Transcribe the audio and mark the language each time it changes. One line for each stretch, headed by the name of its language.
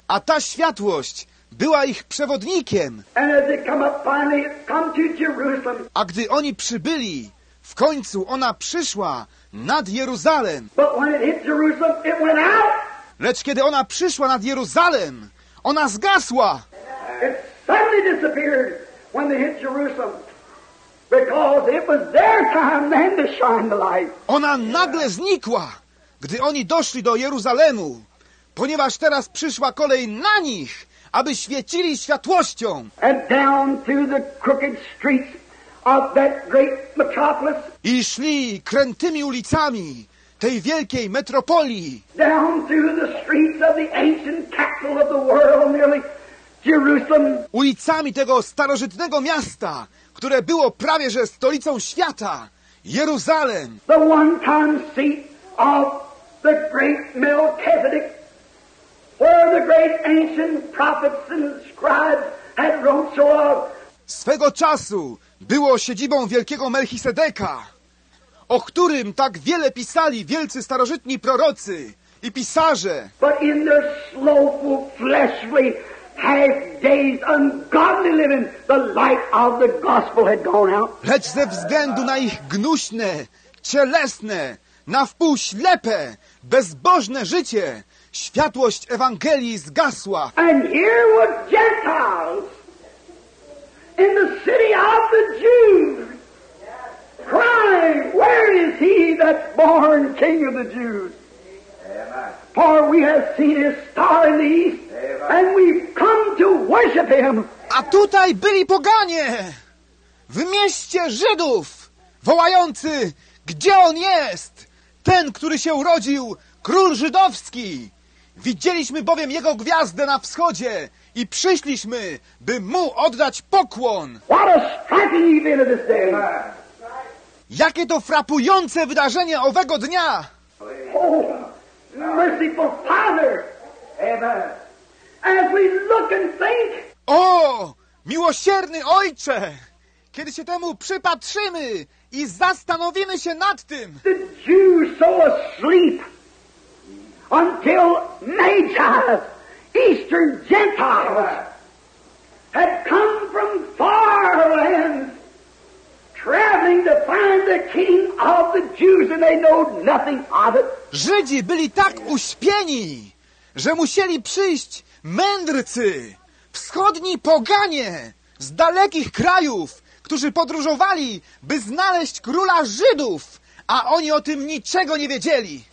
Polish: A ta światłość była ich przewodnikiem.
English: And as they come up finally, come to Jerusalem.
Polish: A gdy oni przybyli, w końcu ona przyszła nad Jeruzalem.
English: But when it hit Jerusalem, it went out.
Polish: Lecz kiedy ona przyszła nad Jeruzalem, ona zgasła.
English: It suddenly disappeared when they hit Jerusalem. Because it was their time then to shine the light.
Polish: Ona nagle znikła, gdy oni doszli do Jeruzalemu, ponieważ teraz przyszła kolej na nich, aby świecili światłością.
English: And down through the crooked streets of that great metropolis.
Polish: I szli krętymi ulicami tej wielkiej metropolii.
English: Down through the streets of the ancient capital of the world, nearly Jerusalem.
Polish: Ulicami tego starożytnego miasta, które było prawie że stolicą świata, Jeruzalem.
English: The one-time seat of the great Melchizedek, where the great ancient prophets and scribes had wrote so of.
Polish: Swego czasu było siedzibą wielkiego Melchisedeka, o którym tak wiele pisali wielcy starożytni prorocy i pisarze.
English: But in their slothful, fleshly half days, ungodly living, the light of the gospel had gone out.
Polish: Lecz ze względu na ich gnuśne, cielesne, na wpół ślepe, bezbożne życie, światłość Ewangelii zgasła.
English: And here were Gentiles in the city of the Jews crying, where is he that's born King of the Jews? For we have seen his star in the east. And we've come to worship him.
Polish: A tutaj byli poganie w mieście Żydów, wołający, gdzie on jest, ten, który się urodził, król żydowski. Widzieliśmy bowiem jego gwiazdę na wschodzie i przyszliśmy, by mu oddać pokłon.
English: What a striking event of this day.
Polish: Jakie to frapujące wydarzenie owego dnia.
English: Oh, merciful Father. Amen. As we look and think.
Polish: O, miłosierny Ojcze, kiedy się temu przypatrzymy i zastanowimy się nad tym.
English: The Jews so asleep until Magi, Eastern Gentiles, had come from far lands, traveling to find the King of the Jews, and they know nothing of it.
Polish: Żydzi byli tak uśpieni, że musieli przyjść mędrcy, wschodni poganie z dalekich krajów, którzy podróżowali, by znaleźć króla Żydów, a oni o tym niczego nie wiedzieli.